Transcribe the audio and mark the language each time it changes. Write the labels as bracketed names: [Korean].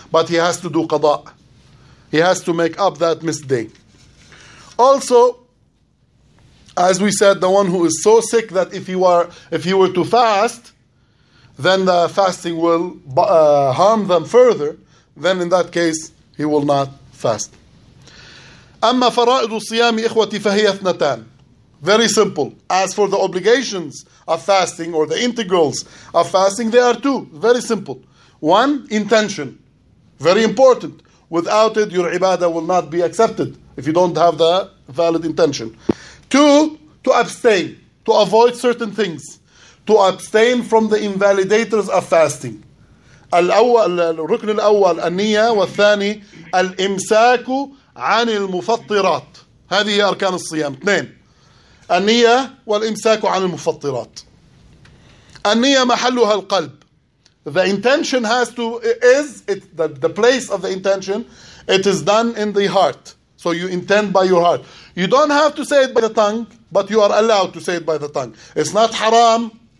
[English] But he has to do qada. He has to make up that missed day. Also, as we said, the one who is so sick that if he were to fast, then the fasting will harm them further, then in that case, he will not fast. [Arabic] أما فرائض الصيام إخوتي فهي اثنتان. [English] Very simple. As for the obligations of fasting or the integrals of fasting, they are two. Very simple. One, intention. Very important. Without it, your ibadah will not be accepted if you don't have the valid intention. Two, to abstain, to avoid certain things. To abstain from the invalidators of fasting. [Arabic] الأول الركن الأول النية والثاني الإمساك عن المفطرات. هذه هي أركان الصيام. اثنين. النية والإمساك عن المفطرات. النية محلها القلب. [English] The intention has to is it the place of the intention. It is done in the heart. So you intend by your heart. You don't have to say it by the tongue, but you are allowed to say it by the tongue. It's not haram.